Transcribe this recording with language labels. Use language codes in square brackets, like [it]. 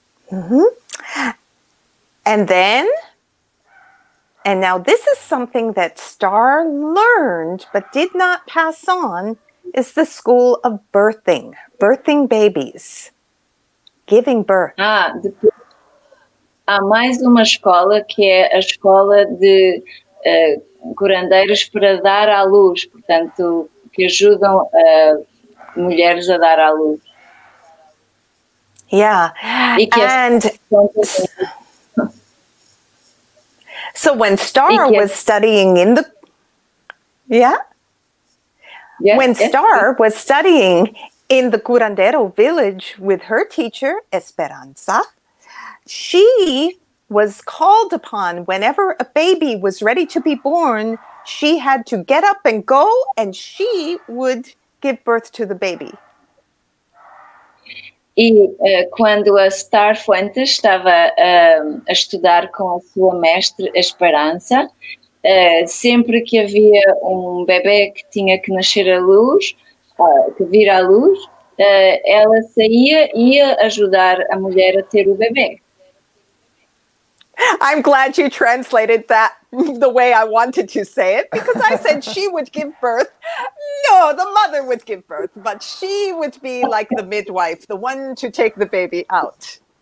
[en] Uh-huh. And then, and now this is something that Star learned but did not pass on, is the school of birthing, birthing babies, giving birth. [pt] Ah, há mais uma escola que é a escola de curandeiros para dar à luz, portanto, que ajudam mulheres a dar à luz. [en] Yeah. [pt] E que [en] and so when Star was studying in the Star was studying in the curandero village with her teacher Esperanza, she was called upon whenever a baby was ready to be born, she had to get up and go, and she would give birth to the baby. [pt] E quando a Star Fuentes estava a estudar com a sua mestre Esperança, sempre que havia um bebê que tinha que nascer à luz, que vir à luz, ela saía e ia ajudar a mulher a ter o bebê. [en] I'm glad you translated that the way I wanted to say it, because I said she would give birth. No, the mother would give birth, but she would be like the midwife, the one to take the baby out.